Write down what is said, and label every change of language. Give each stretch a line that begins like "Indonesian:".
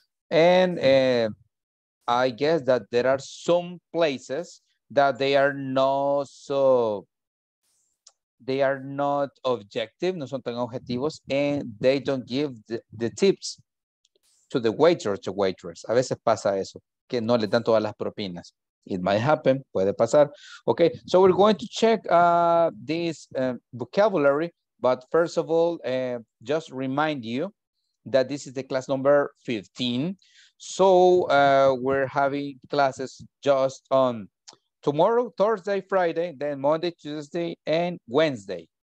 English: And I guess that there are some places that they are not so, they are not objective,
Spanish: no son tan objetivos,
English: and they don't give the tips to the waiter or to waitress.
Spanish: A veces pasa eso, que no le dan todas las propinas.
English: It might happen,
Spanish: puede pasar.
English: Okay, so we're going to check this vocabulary, but first of all, just remind you that this is the class number 15. So we're having classes just on tomorrow, Thursday, Friday, then Monday, Tuesday, and Wednesday.